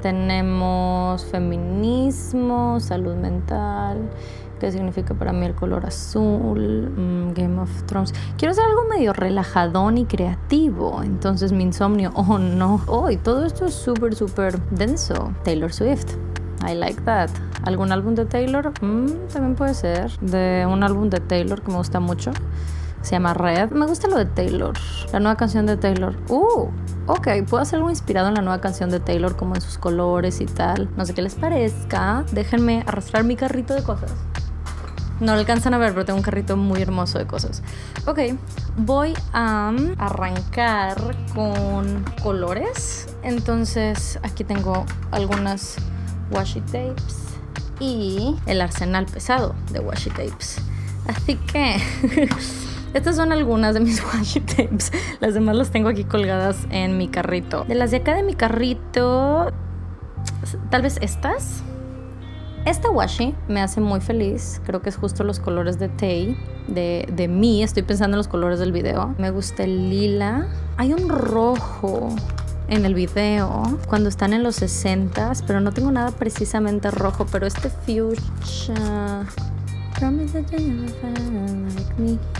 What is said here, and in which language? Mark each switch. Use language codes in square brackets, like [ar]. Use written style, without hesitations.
[es] Tenemos feminismo, salud mental, qué significa para mí el color azul, Game of Thrones. Quiero hacer algo medio relajadón y creativo, entonces mi insomnio, oh no. Oh, y todo esto es súper, súper denso. [en] Taylor Swift, I like that. [es] ¿Algún álbum de Taylor? También puede ser. De un álbum de Taylor que me gusta mucho. Se llama Red. Me gusta lo de Taylor. La nueva canción de Taylor. Ok. Puedo hacer algo inspirado en la nueva canción de Taylor, como en sus colores y tal. No sé qué les parezca. Déjenme arrastrar mi carrito de cosas. No lo alcanzan a ver, pero tengo un carrito muy hermoso de cosas. Ok. Voy a arrancar con colores. Entonces, aquí tengo algunas washi tapes y el arsenal pesado de washi tapes. Así que... estas son algunas de mis washi tapes. Las demás las tengo aquí colgadas en mi carrito. De las de acá de mi carrito, tal vez estas. Esta washi me hace muy feliz. Creo que es justo los colores de Tay, de mí. Estoy pensando en los colores del video. Me gusta el lila. Hay un rojo en el video, cuando están en los 60s, pero no tengo nada precisamente rojo. Pero este fuchsia. [en] Promise that you never felt like me.